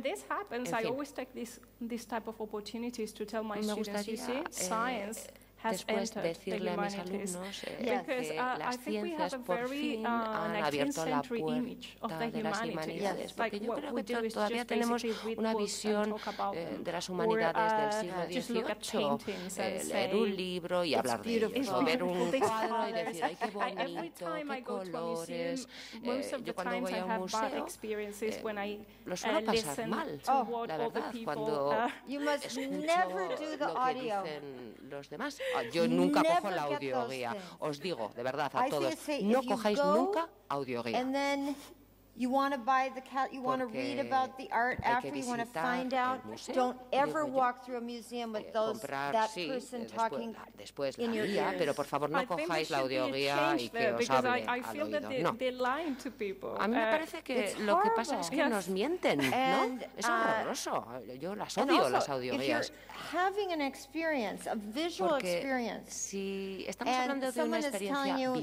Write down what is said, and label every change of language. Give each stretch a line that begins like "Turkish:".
English: this happens, I always take this type of opportunities to tell my students, you see, science
Spanish: después decirle a mis alumnos las ciencias por fin han abierto la puerta de las humanidades, porque yo creo que todavía tenemos una visión de las humanidades del siglo XVIII, leer un libro y hablar de ellos, o ver un cuadro y decir, ¡ay, qué bonito, qué colores! Yo cuando voy a un museo lo suelo pasar mal, la verdad, cuando escucho lo que dicen los demás. Yo nunca cojo la audioguía. Os digo, de verdad, a todos, no cojáis nunca audioguía.
English: You want to buy the cat, you want to read about the art after, you want to find out. Don't ever walk through a museum with that person talking in your ear.
Spanish: Pero por favor, no cojáis la audioguía y que os hable al oído. No. A mí me parece que lo que pasa es que nos mienten, ¿no? Es horroroso. Yo las odio, las audioguías.
English: Having an experience, a visual experience.
Spanish: Porque si estamos hablando de una experiencia visual,